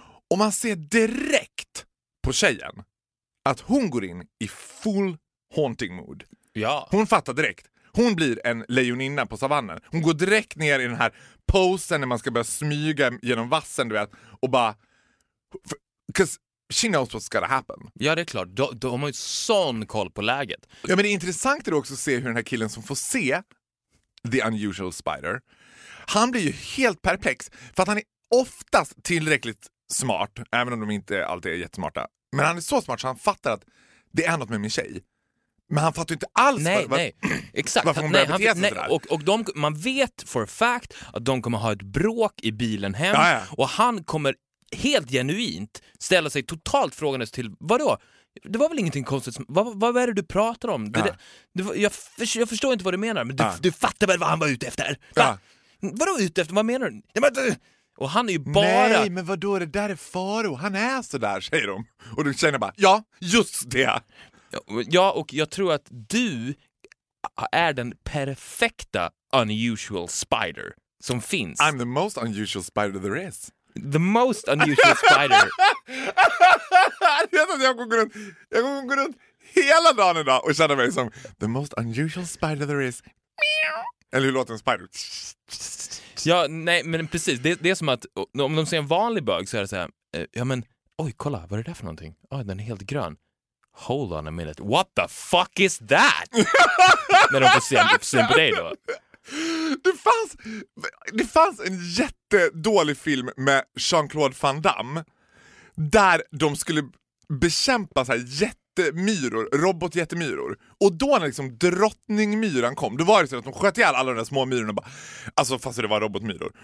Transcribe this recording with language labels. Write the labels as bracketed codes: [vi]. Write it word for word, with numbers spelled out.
[sv] Och man ser direkt på tjejen att hon går in i [en] full haunting mood. [sv] Ja. Hon fattar direkt. Hon blir en lejoninna på savannen. Hon går direkt ner i den här posen när man ska börja smyga genom vassen, du vet. Och bara... [en] Because she knows what's gonna happen. [sv] Ja, det är klart. De, de har ju sån koll på läget. Ja, men det är intressant är också att se hur den här killen som får se [en] The Unusual Spider, [sv] han blir ju helt perplex. För att han är oftast tillräckligt smart, även om de inte alltid är jättesmarta. Men han är så smart så han fattar att det är något med min tjej. Men han fattar ju inte alls nej, var, nej. Exakt. Varför hon nej, börjar bete sig nej, och, och de, man vet [en] for a fact [sv] att de kommer ha ett bråk i bilen hem. Jaja. Och han kommer helt genuint ställa sig totalt frågandes till, vadå? Det var väl ingenting konstigt som, vad, vad är det du pratar om? Det, ja. det, det, jag, för, jag förstår inte vad du menar, men du, ja. du fattar väl vad han var ute efter? Va? Ja. Vadå ute efter? Vad menar du? Ja, men, och han är ju bara... Nej, men vadå? Det där är Faro. Han är så där, säger de. Och du känner bara, ja, just det. Ja, och jag tror att du är den perfekta [en] unusual spider [sv] som finns. [en] I'm the most unusual spider there is. The most unusual spider. [sv] Jag kommer gå runt, jag kommer gå runt hela dagen idag och känna mig som [en] the most unusual spider there is. [sv] Eller hur låter en [en] spider? [sv] Ja, nej, men precis. Det, det är som att om de ser en vanlig bög så är det så här, ja men, oj kolla, vad är det där för någonting? Ja, oh, den är helt grön. [en] Hold on a minute, what the fuck is that? [sv] Men de får se, de får se på dig då. Det fanns, det fanns en jättedålig film med Jean-Claude Van Damme där de skulle bekämpa så här jättemyror, robotjättemyror. Och då när liksom drottningmyran kom, då var det så att de sköt ihjäl alla de där små myrorna bara, alltså fast det var robotmyror.